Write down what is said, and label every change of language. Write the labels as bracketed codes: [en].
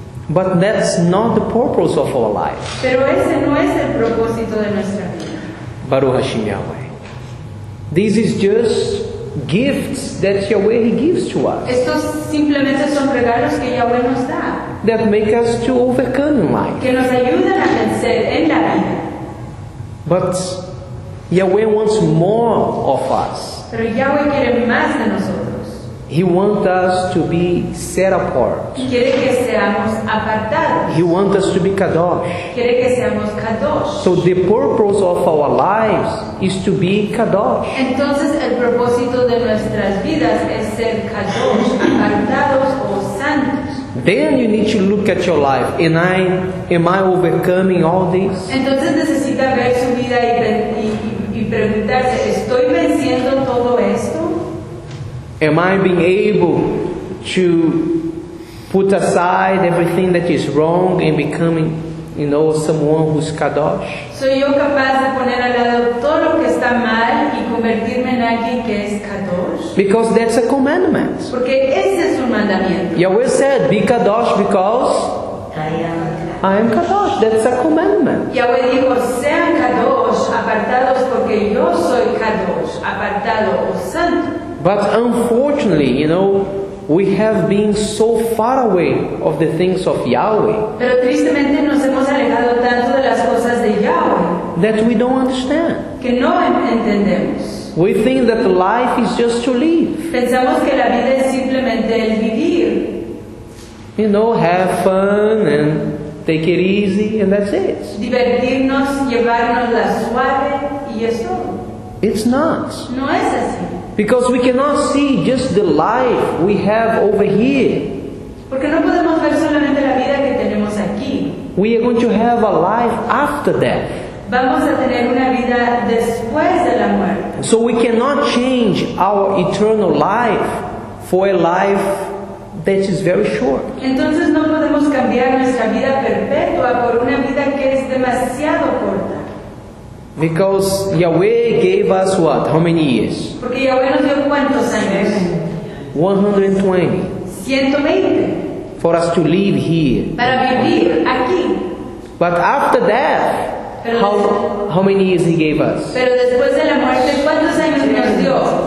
[en] But that's not the purpose of our life. [es] Pero ese no es el propósito de nuestra vida. [he] Baruch Hashem Yahweh. [en] This is just gifts that Yahweh He gives to us. [es] Estos simplemente son regalos que Yahweh nos da. [en] That make us to overcome in life. [es] Que nos ayudan a vencer en la vida. [en] But Yahweh wants more of us. [es] Pero Yahweh quiere más de nosotros. [en] He wants us to be set apart. [es] Quiere que seamos apartados. [en] He wants us to be kadosh. [es] Quiere que seamos kadosh. [en] So the purpose of our lives is to be kadosh. [es] Entonces el propósito de nuestras vidas es ser kadosh, apartados o santos. [en] Then you need to look at your life. Am I overcoming all this? [es] Entonces necesita ver su vida y preguntarse, ¿estoy venciendo todo esto? [en] Am I being able to put aside everything that is wrong and becoming, you know, someone who's kadosh? [es] ¿Soy yo capaz de poner al lado todo lo que está mal y convertirme en alguien que es kadosh? [en] Because that's a commandment. Porque ese es un mandamiento. Yahweh said, be kadosh because I am kadosh. That's a commandment. [es] Yahweh dijo, sean kadosh, apartados porque yo soy kadosh, apartado o santo. [en] But unfortunately, you know, we have been so far away of the things of Yahweh. [es] Pero tristemente nos hemos alejado tanto de las cosas de Yahweh. [en] That we don't understand. [es] Que no entendemos. [en] We think that life is just to live. [es] Pensamos que la vida es simplemente el vivir. [en] You know, have fun and take it easy and that's it. [es] Divertirnos, llevarnos la suave y eso. [en] It's not. [es] No es así. [en] Because we cannot see just the life we have over here. [es] Porque no podemos ver solamente la vida que tenemos aquí. [en] We are going to have a life after death. [es] Vamos a tener una vida después de la muerte. [en] So we cannot change our eternal life for a life that is very short. [es] Entonces no podemos cambiar nuestra vida perpetua por una vida que es demasiado corta. [en] Because Yahweh gave us what? How many years? [es] Porque Yahweh nos dio cuántos años? [en] 120. [es] 120. [en] For us to live here. [es] Para vivir aquí. [en] But after death, how many years He gave us? [es] Pero después de la muerte, ¿cuántos años nos dio?